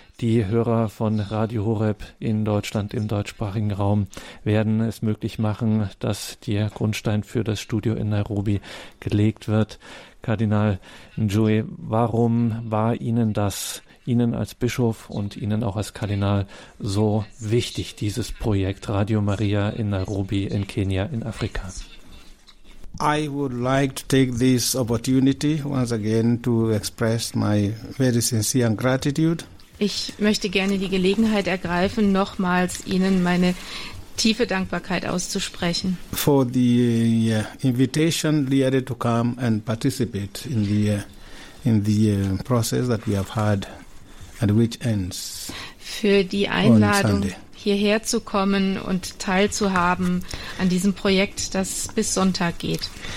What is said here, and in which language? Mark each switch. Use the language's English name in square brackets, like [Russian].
[German] Die Hörer von Radio Horeb in Deutschland, im deutschsprachigen Raum, werden es möglich machen, dass der Grundstein für das Studio in Nairobi gelegt wird. Kardinal Njue, warum war Ihnen das, Ihnen als Bischof und Ihnen auch als Kardinal, so wichtig, dieses Projekt Radio Maria in Nairobi, in Kenia, in Afrika? [English] I would like to take this opportunity once again to express my very sincere gratitude. [German] Ich möchte gerne die Gelegenheit ergreifen, nochmals Ihnen meine tiefe Dankbarkeit auszusprechen. [English] For the invitation, Liere, to come and participate in the process that we have had and which ends. [German] Für die Einladung, hierher zu kommen und teilzuhaben an diesem Projekt, das bis Sonntag geht.